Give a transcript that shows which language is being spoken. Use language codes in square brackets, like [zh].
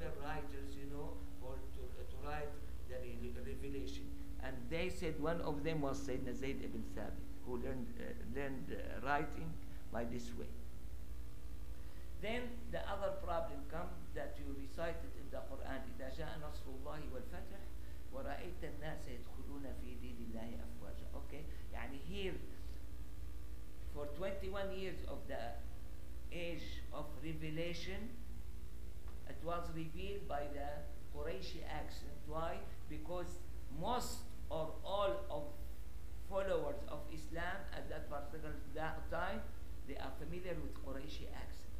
[en] writers, you know, for to write the revelation. And they said one of them was Sayyidina Zayd ibn Thabit, who learned writing by this way. Then the other problem comes that you recited in the Quran, [ar] إِذَا جَاءَ نَصْرُ اللَّهِ وَالْفَتْحِ وَرَأَيْتَ النَّاسَ يَدْخُلُونَ فِي دِينِ اللَّهِ أَفْوَاجًا. [en] Okay, يعني here, for 21 years of the age of revelation, it was revealed by the Quraysh accent. Why? Because most or all of followers of Islam at that particular time, they are familiar with Quraysh accent.